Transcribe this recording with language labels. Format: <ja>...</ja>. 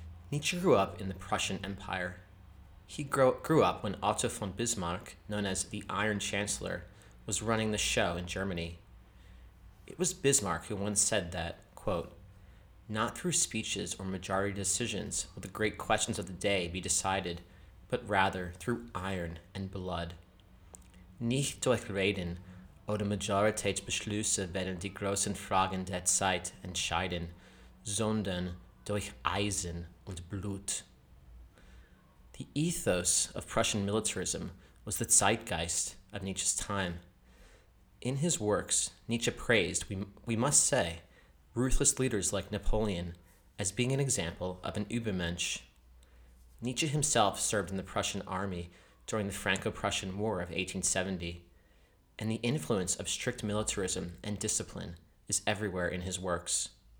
<en>Nietzsche grew up in the Prussian Empire. He grew up when Otto von Bismarck, known as the Iron Chancellor, was running the show in Germany. It was Bismarck who once said that, quote, not through speeches or majority decisions will the great questions of the day be decided, but rather through iron and blood.</en> <de>Nicht durch Reden oder Majoritätsbeschlüsse werden die großen Fragen der Zeit entscheiden, sondern durch Eisen und Blut.</de> <en>The ethos of Prussian militarism was the zeitgeist of Nietzsche's time. In his works, Nietzsche praised, we must say, ruthless leaders like Napoleon as being an example of an Übermensch. Nietzsche himself served in the Prussian army during the Franco-Prussian War of 1870, and the influence of strict militarism and discipline is everywhere in his works.</en>